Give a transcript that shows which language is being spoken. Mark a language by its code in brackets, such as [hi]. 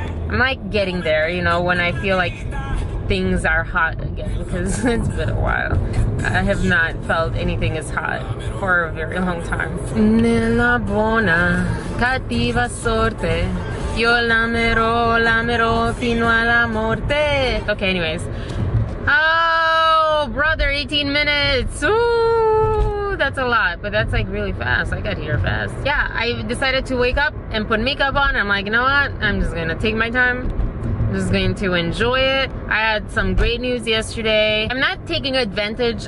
[en] I'm like getting there, you know, when I feel like things are hot again, because it's been a while. I have not felt anything as hot for a very long time. [it] Nella buona cattiva sorte, io l'amerò, l'amerò fino alla morte. [en] Okay, anyways. Oh, brother, 18 minutes. Ooh, that's a lot, but that's like really fast. I got here fast. Yeah, I decided to wake up and put makeup on. I'm like, you know what? I'm just gonna take my time. I'm just going to enjoy it. I had some great news yesterday. I'm not taking advantage.